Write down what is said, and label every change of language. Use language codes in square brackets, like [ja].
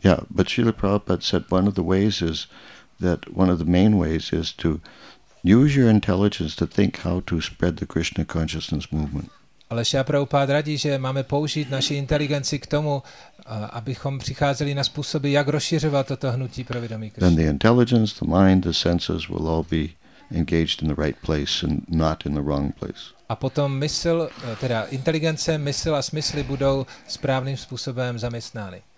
[en] But Srila Prabhupada said one of the ways is that one of the main ways is to use your intelligence to think how to spread the Krishna consciousness movement. [cs] Ale Srila Prabhupada radí, že máme použít naši inteligenci k tomu, abychom přicházeli na způsoby, jak rozšiřovat toto hnutí pro vědomí Krishna. [en] Then the intelligence, the mind, the senses will all be engaged in the right place and not in the wrong place. [cs] A potom mysl, teda inteligence, mysl a smysly budou správným způsobem zaměstnány.